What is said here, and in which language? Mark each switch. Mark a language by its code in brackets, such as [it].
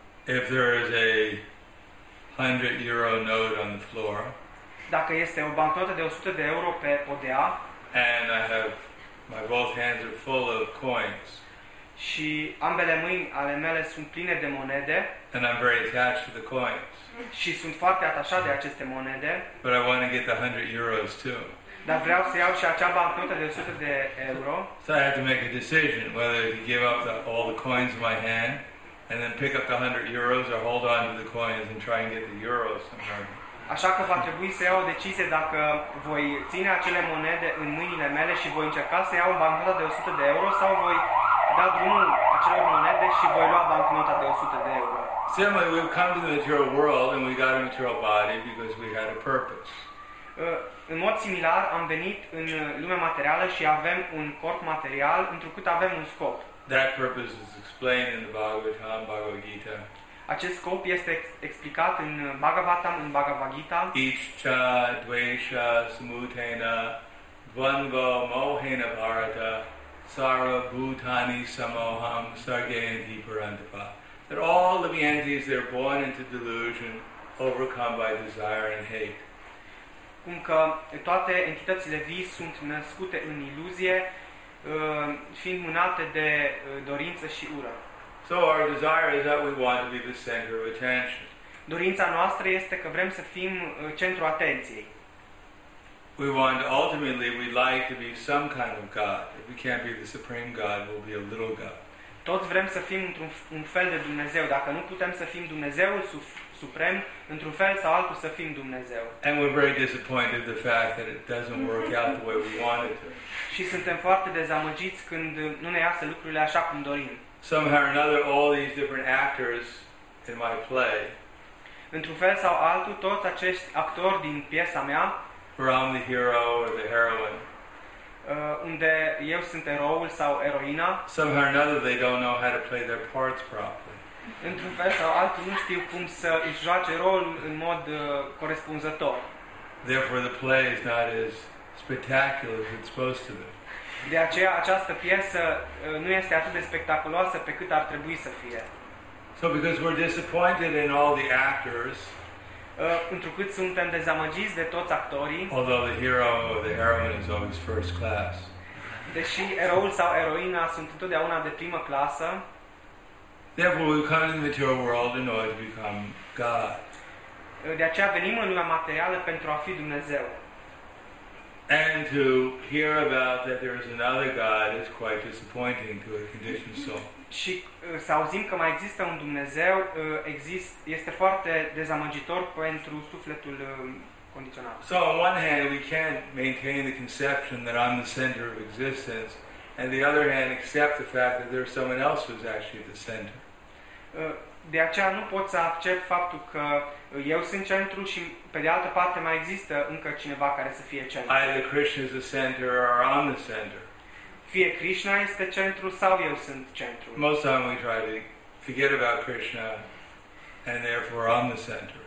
[en] If there is a 100 euro note on the floor. [ro] Dacă este o bancnotă de 100 de euro pe podea. [en] And I have my both hands are full of coins. [ro] Și ambele mâini ale mele sunt pline de monede. [en] And I'm very attached to the coins. [ro] Și sunt foarte atașat de aceste monede. [en] But I want to get the 100 euros too. [ro] Dar vreau să iau și acea bancnotă de 100 de euro. [en] So I have to make a decision whether to give up all the coins in my hand and then pick up the 100 euros or hold on to the coins and try and get the euros somehow. [ro] Așa că va trebui să iau o decizie dacă voi ține acele monede în mâinile mele și voi încerca să iau bancnota de 100 de euro sau voi da drumul acelor monede și voi lua bancnota de 100 de euro. [en] Similarly, we've come to the material world and we got a material body because we had a purpose. [ro] În mod similar, am venit în lumea materială și avem un corp material întrucât avem un scop. [en] That purpose is explained in the Bhagavatam, Bhagavad Gita. [ro] Acest scop este explicat în Bhagavatam, în Bhagavad Gita. [sa] Iccha, dvesha, smutena, dvandva, mohena, bharata, sara, bhutani, samoham, sargayanti, parantapa. [en] That all the beings are born into delusion, overcome by desire and hate. [ro] Cum că toate entitățile vii sunt născute în iluzie, fiind mânate de dorință și ură. [en] So our desire is that we want to be the center of attention. [ro] Dorința noastră este că vrem să fim centrul atenției. [en] We want, ultimately, we'd like to be some kind of God. If we can't be the supreme God, we'll be a little God. [ro] Toți vrem să fim într-un fel de Dumnezeu. Dacă nu putem să fim Dumnezeul suprem, într-un fel sau altul să fim Dumnezeu. [en] And we're very disappointed the fact that it doesn't work out the way we want it to. [ro] Și suntem foarte dezamăgiți când nu ne iasă lucrurile așa cum dorim. [en] Somehow or another, all these different actors in my play. [ro] Într-un fel sau altul, toți acești actori din piesa mea. [en] Where I'm the hero or the heroine. [ro] Unde eu sunt eroul sau eroina. [en] Somehow or another, they don't know how to play their parts properly. [ro] Într-un fel sau altul, nu știu cum să își joace rolul în mod corespunzător. [en] Therefore, the play is not as spectacular as it's supposed to be. [ro] De aceea această piesă nu este atât de spectaculoasă pe cât ar trebui să fie. [en] So because we're disappointed in all the actors. [ro] Întrucât suntem dezamăgiți de toți actorii. [en] Although the hero or the heroine is always first class. [ro] Deși eroul sau eroina sunt întotdeauna de primă clasă. [en] Therefore we come into the material world in order to become God. [ro] De aceea venim în lumea materială pentru a fi Dumnezeu. [en] And to hear about that there is another God is quite disappointing to a conditioned soul. [ro] Și să auzim că mai există un Dumnezeu este foarte dezamăgitor pentru sufletul condiționat. [en] So on one hand we can't maintain the conception that I'm the center of existence, and on the other hand accept the fact that there's someone else who's actually at the center. [ro] De aceea nu pot să accept faptul că eu sunt centru și pe de altă parte mai există încă cineva care să fie centru. [en] Either Krishna is the center or I'm the center. [ro] Fie Krishna este centru sau eu sunt centru. [en] Most time we try to forget about Krishna and therefore I'm the center.